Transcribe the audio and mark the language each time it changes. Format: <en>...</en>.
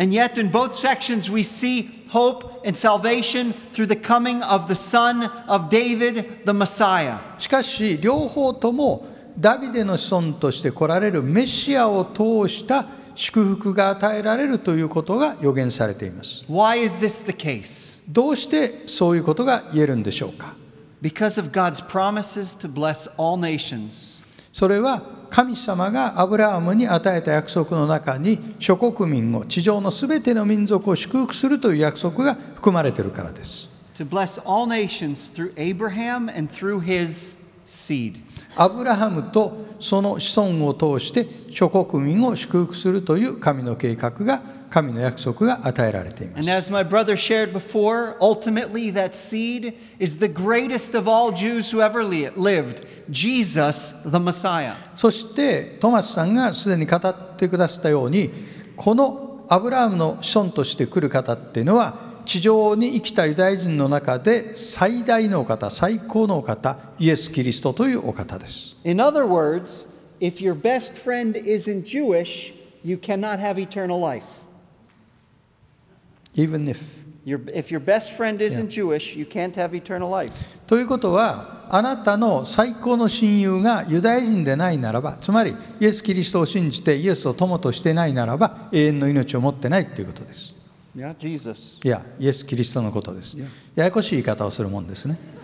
<en>And yet, in both sections, we see hope and salvation through the coming of the Son of David, the Messiah.</en> <ja>しかし、両方ともダビデの子孫として来られるメシアを通した祝福が与えられるということが予言されています。</ja> <en>Why is this the case?</en> <ja>どうしてそういうことが言えるんでしょうか?</ja> <en>Because of God's promises to bless all nations.</en> <ja>それは神様がアブラハムに与えた約束の中に諸国民を地上のすべての民族を祝福するという約束が含まれているからです。</ja> <en>to bless all nations through Abraham and through his seed.</en> <ja>アブラハムとその子孫を通して諸国民を祝福するという神の計画が、神の約束が与えられています。</ja> <en>And as my brother shared before, ultimately that seed is the greatest of all Jews who ever lived, Jesus the Messiah.</en> <ja>そしてトマスさんがすでに語ってくださったように、このアブラハムの子孫として来る方っていうのは、地上に生きたユダヤ人の中で最大のお方、最高のお方、イエス・キリストというお方です。</ja> <en>In other words, if your best friend isn't Jewish, you cannot have eternal life. Even if. If your best friend isn't Jewish, you can't have eternal life.</en> <ja>ということは、あなたの最高の親友がユダヤ人でないならば、つまりイエス・キリストを信じてイエスを友としてないならば、永遠の命を持ってないということです。</ja> <en>Yeah, Jesus.</en> <ja>Yeah, イエス・キリストのことです。Yeah. ややこしい言い方をするもんですね。</ja>